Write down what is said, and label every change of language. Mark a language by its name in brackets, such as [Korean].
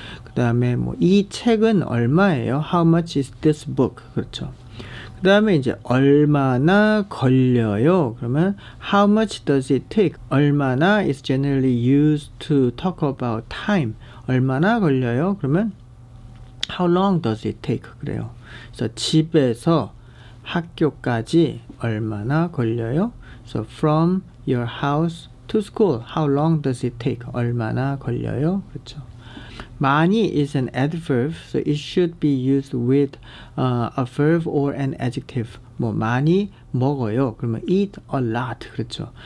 [Korean] 그 다음에 뭐 이 책은 얼마예요? [English] How much is this book? [Korean] 그렇죠. 그 다음에 이제 얼마나 걸려요? 그러면 [English] how much does it take? 얼마나 is generally used to talk about time. [Korean] 얼마나 걸려요? 그러면 [English] How long does it take? [Korean] 그래요. 그래서 집에서 학교까지 얼마나 걸려요? [English] So from your house to school, how long does it take? [Korean] 얼마나 걸려요? 그렇죠. [English] 많이 is an adverb, so it should be used with a verb or an adjective. [Korean] 뭐 많이 먹어요. 그러면 [English] eat a lot. [Korean] 그렇죠.